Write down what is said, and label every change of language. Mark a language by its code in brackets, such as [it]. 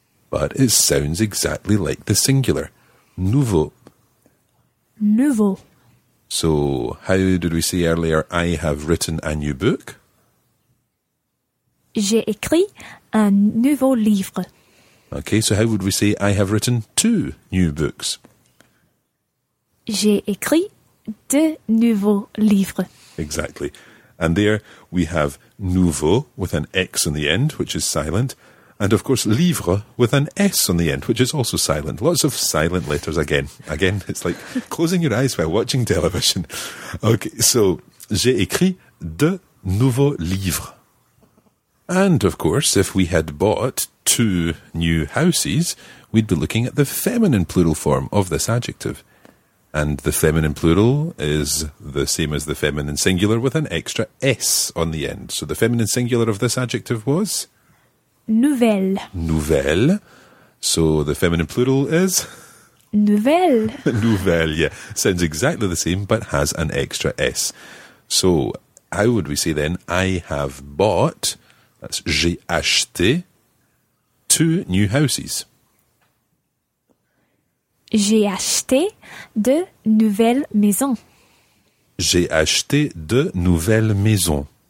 [en] But it sounds exactly like the singular. [fr] Nouveau. Nouveau. [en] So, how did we say earlier, I have written a new book? [fr] J'ai écrit un nouveau livre. [en] Okay, so how would we say I have written two new books? [fr] J'ai écrit deux nouveaux livres. [en] Exactly. And there we have nouveau with an X on the end, which is silent. And of course, livre with an S on the end, which is also silent. Lots of silent letters again. Again, it's like closing your eyes while watching television. [fr] Okay, so j'ai écrit deux nouveaux livres. [en] And of course, if we had bought two new houses, we'd be looking at the feminine plural form of this adjective. And the feminine plural is the same as the feminine singular with an extra S on the end. So the feminine singular of this adjective was? [fr] Nouvelle. [en] Nouvelle. So the feminine plural is? [fr] Nouvelle. Nouvelle, yeah. [en] Sounds exactly the same, but has an extra S. So how would we say then, I have bought, that's [fr] j'ai acheté, [en] two new houses. [fr] J'ai acheté de nouvelles maisons. J'ai acheté de nouvelles maisons.